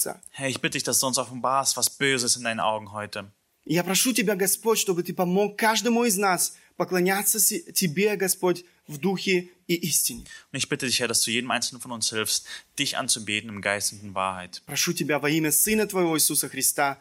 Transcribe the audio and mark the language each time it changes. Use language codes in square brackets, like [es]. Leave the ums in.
[de] Herr, ich bitte dich, dass du uns offenbarst, was Böses in deinen Augen heute. [ru] Я прошу Тебя, Господь, чтобы Ты помог каждому из нас поклоняться Тебе, Господь, в Духе и Истине. [de] Und ich bitte dich, Herr, dass du jedem einzelnen von uns hilfst, dich anzubeten im Geist und in Wahrheit. [ru] Прошу Тебя во имя Сына Твоего, Иисуса Христа.